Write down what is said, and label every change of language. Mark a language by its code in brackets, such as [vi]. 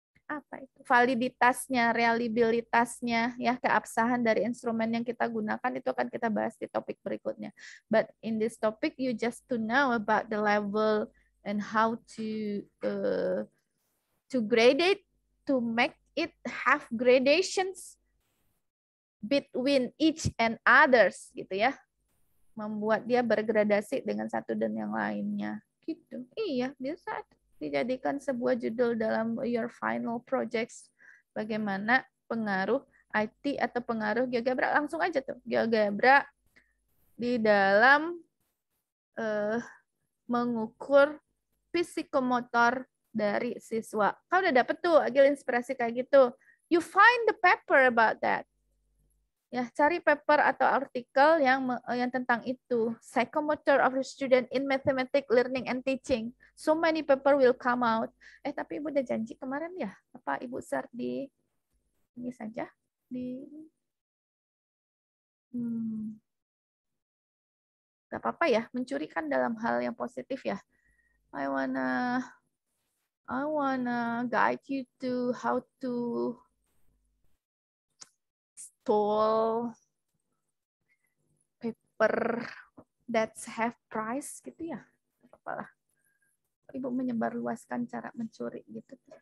[id] apa itu validitasnya, reliabilitasnya ya, keabsahan dari instrumen yang kita gunakan itu akan kita bahas di topik berikutnya. [en] But in this topic you just to know about the level and how to grade it, to make it have gradations between each and others [id] gitu ya. Membuat dia bergradasi dengan satu dan yang lainnya. Gitu. Iya, bisa dijadikan sebuah judul dalam [en] your final projects. [id] Bagaimana pengaruh IT atau pengaruh GeoGebra. Langsung aja tuh. GeoGebra di dalam mengukur psikomotor dari siswa. Kau udah dapet tuh agil inspirasi kayak gitu. [en] You find the paper about that. [id] Ya, cari paper atau artikel yang tentang itu. [en] Psychomotor of the student in mathematics learning and teaching. So many paper will come out. [id] Eh, tapi Ibu udah janji kemarin ya? Apa Ibu share di ini saja? Di gak apa-apa ya, mencuri kan dalam hal yang positif ya. [en] I wanna guide you to how to store paper that have price [id] gitu ya. Apalah. Ibu menyebarluaskan cara mencuri gitu.